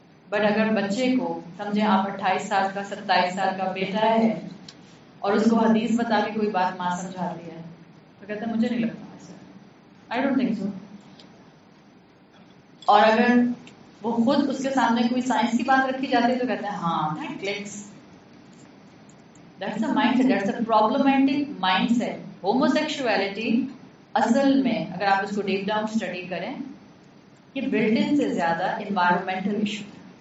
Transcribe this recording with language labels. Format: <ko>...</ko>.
<ur>But اگر بچے کو سمجھیں آپ 28 سال کا 27 سال کا بیٹا ہے اور اس کو حدیث بتا کے کوئی بات ماں سمجھا دیا ہے تو کہتے ہیں مجھے نہیں لگتا ایسا,</ur> <en>I don't think so.</en> <ur>اور اگر وہ خود اس کے سامنے کوئی سائنس کی بات رکھی جاتی ہے تو کہتے ہیں ہاں clicks.</ur> <en>That's a mindset, that's a problematic mindset.</en> <ur>Homosexuality, اصل میں اگر آپ اس کو</ur> <en>deep down study</en> <ur>کریں یہ</ur> <en>built in</en> <ur>سے زیادہ</ur> <en>environmental issue</en> <ur>ہے.</ur>